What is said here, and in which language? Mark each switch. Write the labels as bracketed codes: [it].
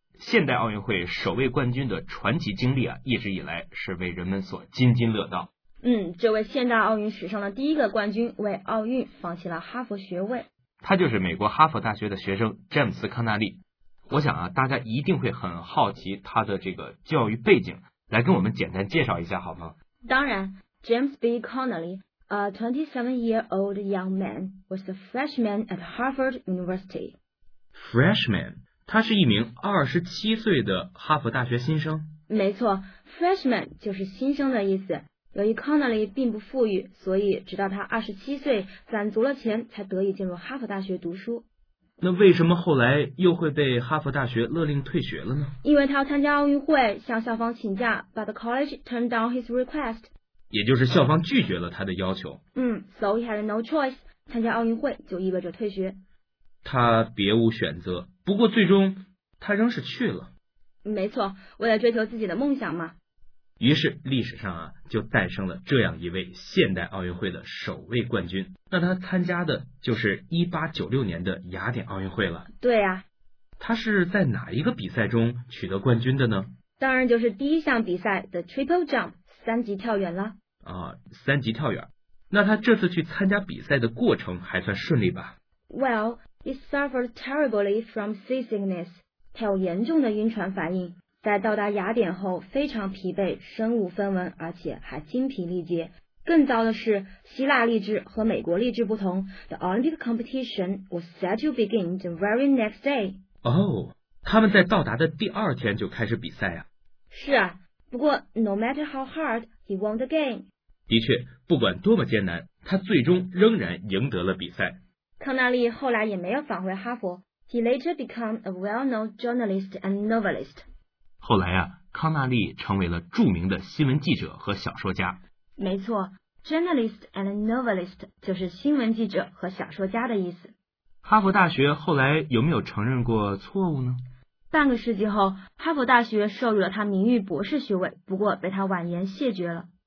[zh] 现代奥运会首位冠军的传奇经历啊一直以来是为人们所津津乐道嗯这位现代奥运史上的第一个冠军为奥运放弃了哈佛学位他就是美国哈佛大学的学生詹姆斯康纳利我想啊大家一定会很好奇他的这个教育背景来跟我们简单介绍一下好吗 [en] 当然James B. Connelly, a 27-year-old young man, was a freshman at Harvard University. Freshman? [zh] 他是一名27岁的哈佛大学新生。没错 ,freshman 就是新生的意思。由于 Connelly 并不富裕所以直到他27岁攒足了钱才得以进入哈佛大学读书。那为什么后来又会被哈佛大学勒令退学了呢？因为他参加奥运会向校方请假 [en] ,but the college turned down his request. [zh] 也就是校方拒绝了他的要求。 [en] So he had no choice. [zh] 参加奥运会就意味着退学。他别无选择，不过最终他仍是去了。没错，为了追求自己的梦想嘛。于是历史上啊，就诞生了这样一位现代奥运会的首位冠军。那他参加的就是1896年的雅典奥运会了。对啊。他是在哪一个比赛中取得冠军的呢？当然就是第一项比赛 , [en] the triple jump, [zh] 三级跳远了。啊，三级跳远。那他这次去参加比赛的过程还算顺利吧？ [en] Well, he suffered terribly from seasickness, [zh] 他有严重的晕船反应。在到达雅典后非常疲惫，身无分文，而且还精疲力竭。更糟的是，希腊力志和美国力志不同， [en] The Olympic competition was set to begin the very next day. [zh] 哦，他们在到达的第二天就开始比赛啊。是啊，不过 [en] no matter how hard, he won the game. [zh] 的确，不管多么艰难，他最终仍然赢得了比赛。康纳利后来也没有返回哈佛， [en] He later became a well-known journalist and novelist. [zh] 后来啊，康纳利成为了著名的新闻记者和小说家。没错 , [en] journalist and novelist [zh] 就是新闻记者和小说家的意思。哈佛大学后来有没有承认过错误呢？半个世纪后，哈佛大学授予了他名誉博士学位，不过被他婉言谢绝了。